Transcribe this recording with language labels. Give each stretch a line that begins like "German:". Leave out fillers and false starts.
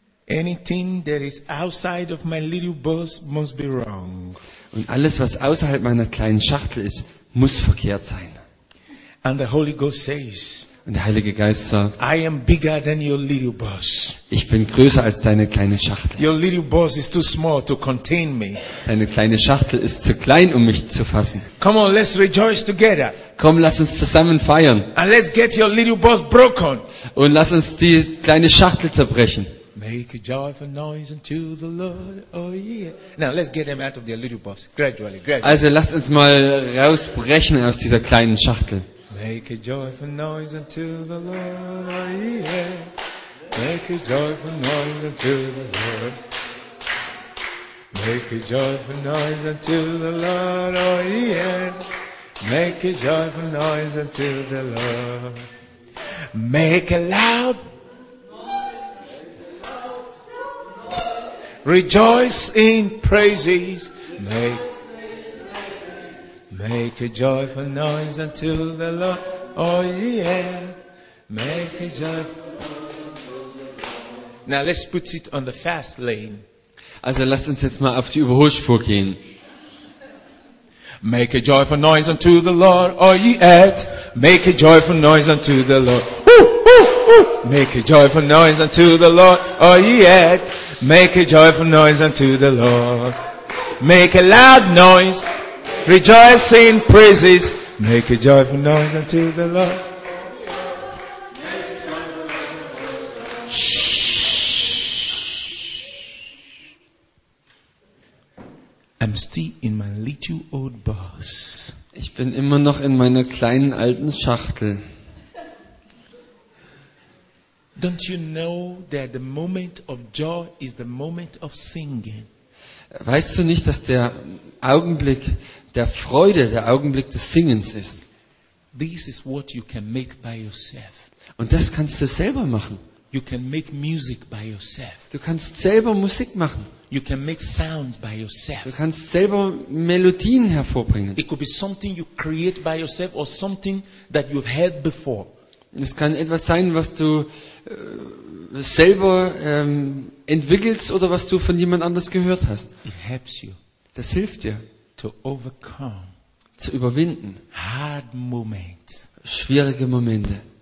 English: Anything that is outside of my little bus must be wrong.
German: Und alles, was außerhalb meiner kleinen Schachtel ist, muss verkehrt sein.
English: And the Holy Ghost says,
German: und der Heilige Geist sagt,
English: I am bigger than your little bus.
German: Ich bin größer als deine kleine Schachtel.
English: Your little bus is too small to contain me.
German: Deine kleine Schachtel ist zu klein, um mich zu fassen.
English: Come on, let's rejoice together.
German: Komm, lass uns zusammen feiern.
English: And let's get your little bus broken.
German: Und lass uns die kleine Schachtel zerbrechen.
English: Make a joyful noise unto the Lord, oh yeah. Now let's get them out of their little box, gradually, gradually.
German: Also lasst uns mal rausbrechen aus dieser kleinen Schachtel.
English: Make a joyful noise unto the Lord, oh yeah. Make a joyful noise unto the Lord. Make a joyful noise unto the Lord, oh yeah. Make a joyful noise unto the Lord. Make a loud rejoice in praises. Make a joyful noise unto the Lord. Oh yeah. Make a joyful noise. Now let's put it on the fast lane.
German: Also lasst uns jetzt mal auf die Überholspur gehen.
English: Make a joyful noise unto the Lord, all ye at. Make a joyful noise unto the Lord. Make a joyful noise unto the Lord, all ye at. Make a joyful noise unto the Lord. Make a loud noise, rejoice in praises. Make a joyful noise unto the Lord. Shh. I'm still in my little old box.
German: Ich bin immer noch in meiner kleinen alten Schachtel.
English: Don't you know that the moment of joy is the moment of singing?
German: Weißt du nicht, dass der Augenblick der Freude der Augenblick des Singens ist?
English: This is what you can make by yourself.
German: Und das kannst du selber machen.
English: You can make music by yourself.
German: Du kannst selber Musik machen.
English: You can make sounds by yourself.
German: Du kannst selber Melodien hervorbringen.
English: It could be something you create by yourself or something that you've heard before.
German: Es kann etwas sein, was du selber entwickelst oder was du von jemand anders gehört hast.
English: It helps you.
German: Das hilft dir,
English: to overcome,
German: zu überwinden,
English: hard moments,
German: schwierige Momente,